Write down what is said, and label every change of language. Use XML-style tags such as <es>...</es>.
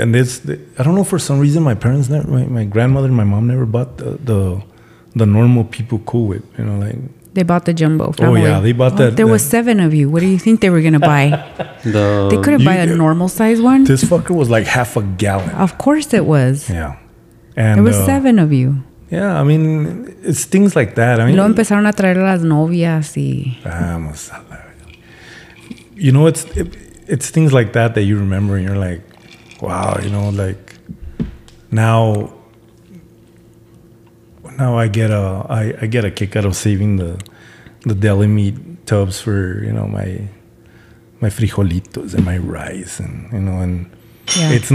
<en>And this, I don't know, for some reason my parents my grandmother and my mom never bought the normal people Cool Whip, you know, like they bought the jumbo family. Oh yeah, they bought was seven of you. What do you think they were gonna buy? They couldn't buy a normal size one. This fucker was like half a gallon. Of course it was. Yeah, and there was seven of you. Yeah, I mean, it's things like that. I mean,</en> <es>lo empezaron a traer las novias y vamos a la,</es> <en>you know, it's things like that that you remember and you're like, wow, you know, like now I get a kick out of saving the deli meat tubs for, you know, my frijolitos and my rice, and you know, and yeah.</en>